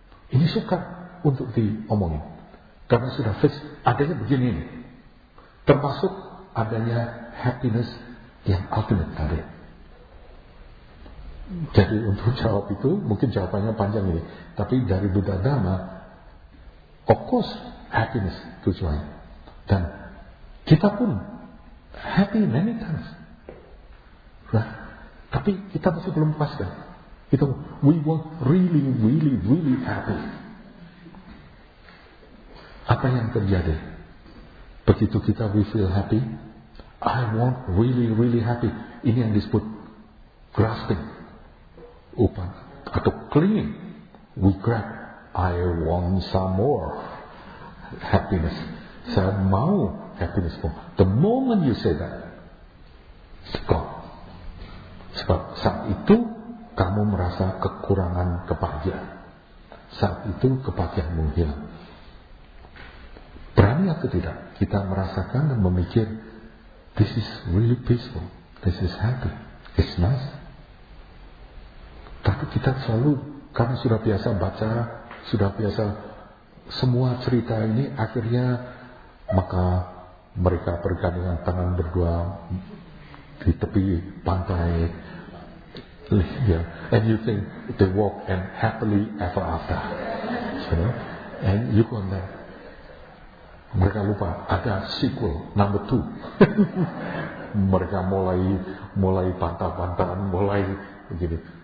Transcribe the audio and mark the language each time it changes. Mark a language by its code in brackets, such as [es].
[id] Ini sukar untuk diomongin. Karena sudah fix adanya begini ini. Termasuk adanya happiness yang ultimate tadi. Jadi untuk jawab itu, mungkin jawabannya panjang ini. Tapi dari Buddha Dhamma, [en] of course, [id] happiness tujuannya. Dan kita pun [en] happy many times. [id] Nah, tapi kita masih belum puas kan? Kita, [en] we want really, really, really happy. [id] Apa yang terjadi? Begitu kita [en] we feel happy, I want really, really happy. [id] Ini yang disebut grasping. Upan atau clinging, [en] we grab. I want some more happiness. [id] Saya mau [en] happiness more. The moment you say that, gone. [id] Sebab saat itu kamu merasa kekurangan kebahagiaan. Saat itu kebahagiaan menghilang. Berani atau tidak, kita merasakan dan memikir, [en] this is really peaceful. This is happy. It's nice. [id] Tapi kita selalu, karena sudah biasa baca, sudah biasa semua cerita ini, akhirnya maka mereka bergandengan tangan berdua di tepi pantai. [en] Yeah. And you think they walk and happily ever after. You know? And you go on that. [id] Mereka lupa, ada sequel, [en] number two. [id] Mereka mulai pantah-pantahan, mulai begini.